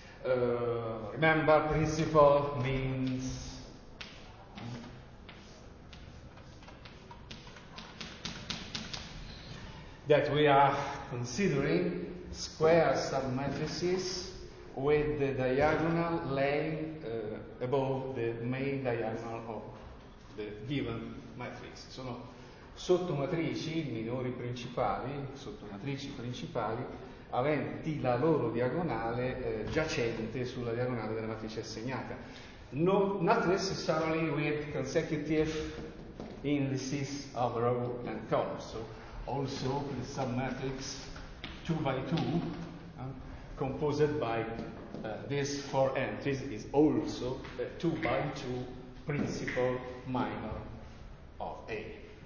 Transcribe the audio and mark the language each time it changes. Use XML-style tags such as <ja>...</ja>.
<en>Remember, principal means that we are considering square sum matrices with the diagonal laying above the main diagonal of the given matrix.</en> <it>Sono sottomatrici minori principali, sottomatrici principali, aventi la loro diagonale giacente sulla diagonale della matrice assegnata.</it> <en>No, not necessarily with consecutive indices of row and column. So also the submatrix 2 by 2 composed by these four entries is also the 2 by 2 principal minor of A.</en>